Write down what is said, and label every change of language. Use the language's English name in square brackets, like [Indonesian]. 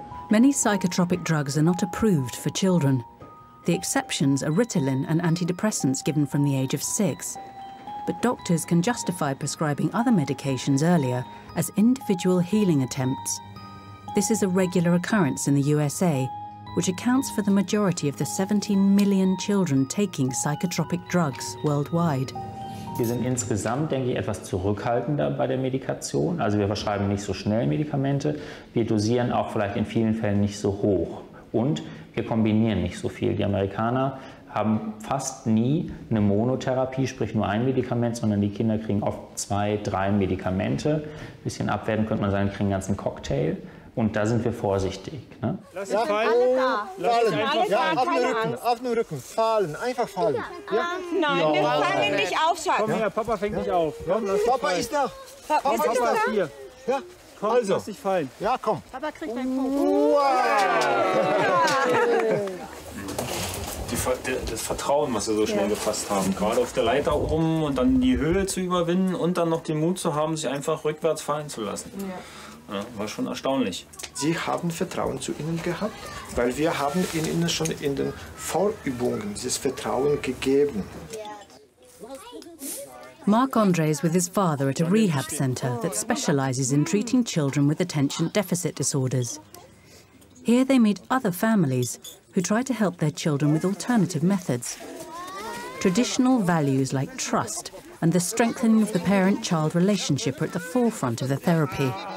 [English] Many psychotropic drugs are not approved for children. The exceptions are Ritalin and antidepressants given from the age of 6. But doctors can justify prescribing other medications earlier as individual healing attempts. This is a regular occurrence in the USA, which accounts for the majority of the 17 million children taking psychotropic drugs worldwide. [German] Wir sind insgesamt, denke ich, etwas zurückhaltender bei der Medikation. Also wir verschreiben nicht so schnell Medikamente. Wir dosieren auch vielleicht in vielen Fällen nicht so hoch. Und wir kombinieren nicht so viel. Die Amerikaner haben fast nie eine Monotherapie, sprich nur ein Medikament, sondern die Kinder kriegen oft zwei, drei Medikamente. Ein bisschen abwerten könnte man sagen, kriegen einen ganzen Cocktail. Und da sind wir vorsichtig. Ne? Lass dich fallen. Alle da. Fallen. Alle da. Ja, auf den Rücken. Auf den Rücken. Fallen. Einfach fallen. Ja. Nein, wir fangen nicht auf, Schatz. Komm her, Papa fängt nicht auf. Komm, lass Papa ist da. Papa ist hier. Ja. Komm, also. Lass dich fallen. Ja, komm. Papa kriegt einen Punkt. Wow. Ja. Das Vertrauen, was wir so schnell gefasst haben. Gerade auf der Leiter rum und dann die Höhe zu überwinden und dann noch den Mut zu haben, sich einfach rückwärts fallen zu lassen. Ja. Ja, war schon erstaunlich. Sie haben Vertrauen zu ihnen gehabt, weil wir haben ihnen schon in den Vorübungen dieses Vertrauen gegeben. [English] Mark Andre is with his father at a rehab center that specializes in treating children with attention deficit disorders. Here they meet other families who try to help their children with alternative methods. Traditional values like trust and the strengthening of the parent-child relationship are at the forefront of the therapy.